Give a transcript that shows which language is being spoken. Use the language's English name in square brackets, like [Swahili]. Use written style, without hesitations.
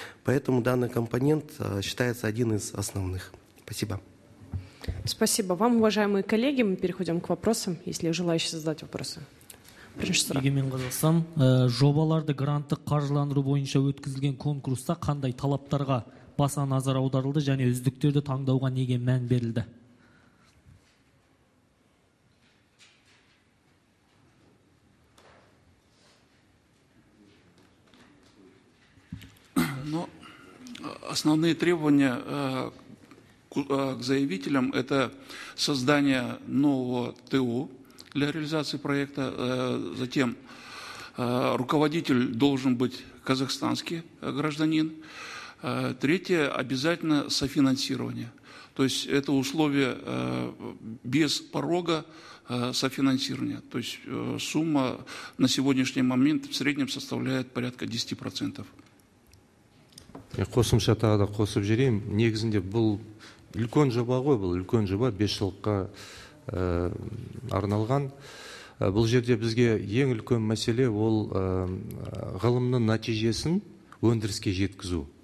[Russian] Поэтому данный компонент считается один из основных. Спасибо. Спасибо вам, уважаемые коллеги. Мы переходим к вопросам, если желающие задать вопросы. [Kazakh] Егемен Қазақстан, жобаларды гранты қаржыландыру бойынша өткізілген конкурста қандай талаптарға баса назар аударылды және үздіктерді таңдауға неге мән берілді? [Russian] Но основные требования к заявителям – это создание нового ТО для реализации проекта. Затем руководитель должен быть казахстанский гражданин. Третье – обязательно софинансирование. То есть это условие без порога софинансирования. То есть сумма на сегодняшний момент в среднем составляет порядка 10%. [Kazakh] Қосымша тағы да қосып жерейм. Негізінде бұл үлкен жоба ғой, бұл үлкен жоба 5 жылға арналған. Бұл жерде бізге ең үлкен мәселе ол ғылымның нәтижесін өндіріске жеткізу.